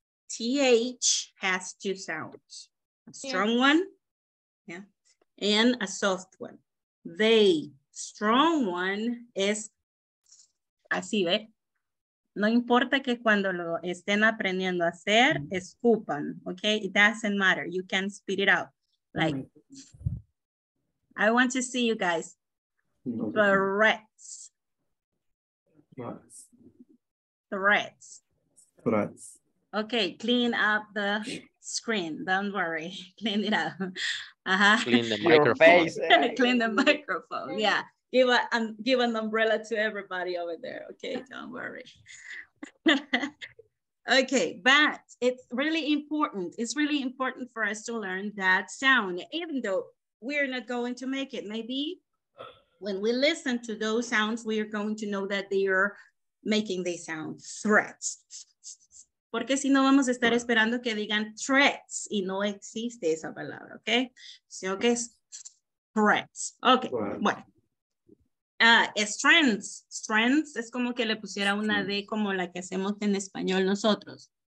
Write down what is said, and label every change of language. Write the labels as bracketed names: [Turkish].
[English] TH has two sounds. A strong one, and a soft one. They, strong one, [Spanish] es así, ¿ve? No importa que cuando lo estén aprendiendo a hacer, escupan, okay? [English] It doesn't matter, you can spit it out. Like, I want to see you guys. Threats. Okay, clean up the screen, don't worry, clean it up. Clean the microphone. Clean the microphone. Yeah. Give an umbrella to everybody over there. Okay. Don't worry. Okay. But it's really important. It's really important for us to learn that sound, even though we're not going to make it. Maybe when we listen to those sounds, we are going to know that they are making these sounds threats. [Spanish] Porque si no vamos a estar esperando que digan threats y no existe esa palabra, ¿ok? Sino que es threats. Ok, bueno. Strengths. Strengths es como que le pusiera una D como la que hacemos en español nosotros.